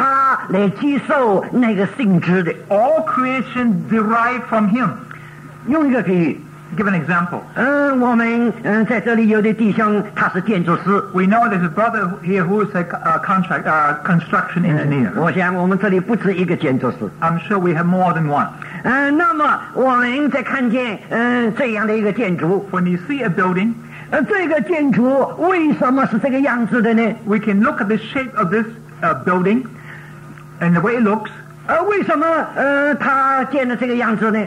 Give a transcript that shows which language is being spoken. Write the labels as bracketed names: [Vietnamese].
[Chinese] 这个所有的被造，他都从他来接受那个性质的。 [English] All creation derived from him. [Chinese] 用一个比喻, [English] give an example. [Chinese] 我们在这里有的弟兄他是建筑师, [English] we know there's a brother here who is a construction engineer. [Chinese] 我想我们这里不止一个建筑师, [English] I'm sure we have more than one. [Chinese] 那么我们在看见, 这样的一个建筑, [English] when you see a building, [Chinese] 这个建筑为什么是这个样子的呢? [English] We can look at the shape of this building and the way it looks. [Chinese] 为什么他建的这个样子呢?